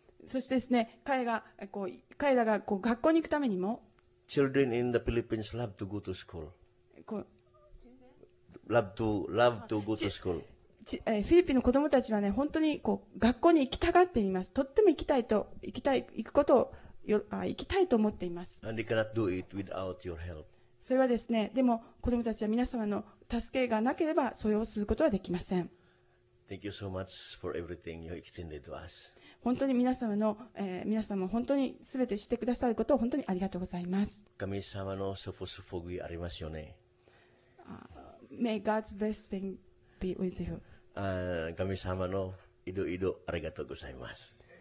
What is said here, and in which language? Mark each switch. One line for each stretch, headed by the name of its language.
Japanese: そしてですね、彼らがこう学校に行くためにも、
English: Children in the Philippines love to go to school. Love to go to school.
Japanese: フィリピンの子供たちはね、本当にこう学校に行きたがっています。とっても行きたいと、行くことを、行きたいと思っています。
English: And they cannot do it without your help.
Japanese: それはですね、でも子供たちは皆様の助けがなければ、それをすることはできません。
English: Thank you so much for everything you extended to us.
Japanese: 本当に皆様の、皆様本当に全てしてくださることを本当にありがとうございます。神様の祝福祝福がありますよね。
English: May God's blessing be with you.
Japanese: 神様の祝福ありがとうございます。